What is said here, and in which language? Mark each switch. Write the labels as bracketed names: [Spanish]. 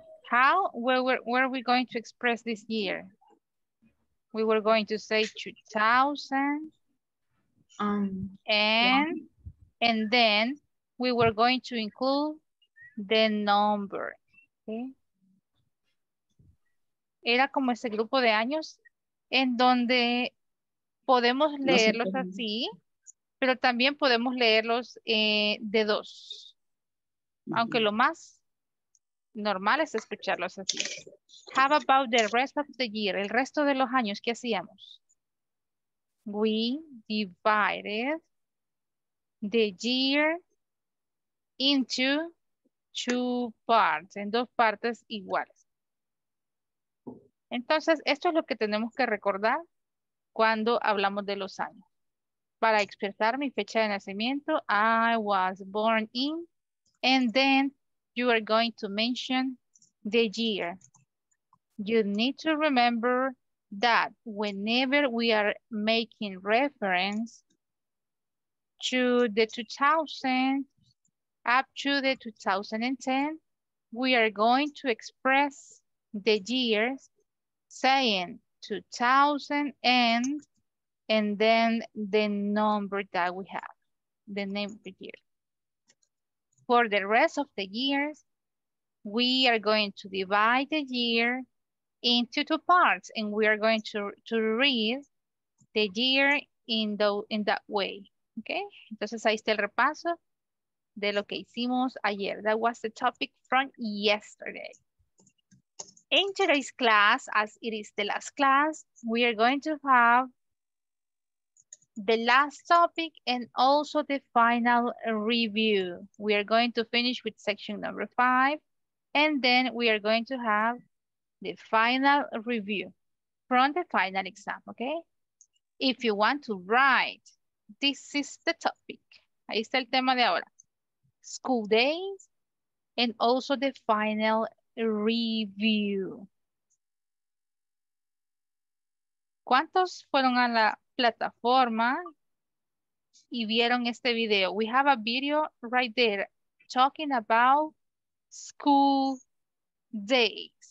[English] How were we going to express this year? We were going to say 2000 and then we were going to include the number. Okay. [Spanish] Era como ese grupo de años en donde podemos leerlos así, pero también podemos leerlos de dos. Aunque lo más normal es escucharlos así. [English] How about the rest of the year? El resto de los años, ¿qué hacíamos? We divided the year into two parts, en dos partes iguales. [Spanish] Entonces, esto es lo que tenemos que recordar cuando hablamos de los años. [English] Para expresar mi fecha de nacimiento, I was born in, and then you are going to mention the year. You need to remember that whenever we are making reference to the 2000 up to the 2010, we are going to express the years saying 2000 and then the number that we have, the name of the year. For the rest of the years, we are going to divide the year into two parts, and we are going to read the year in that way, okay? [Spanish] Entonces ahí está el repaso de lo que hicimos ayer. [English] That was the topic from yesterday. In today's class, as it is the last class, we are going to have the last topic and also the final review. We are going to finish with section number 5, and then we are going to have the final review from the final exam, okay? If you want to write, this is the topic. Ahí está el tema de ahora. School days and also the final review. [Spanish] ¿Cuántos fueron a la plataforma y vieron este video? [English] We have a video right there talking about school days.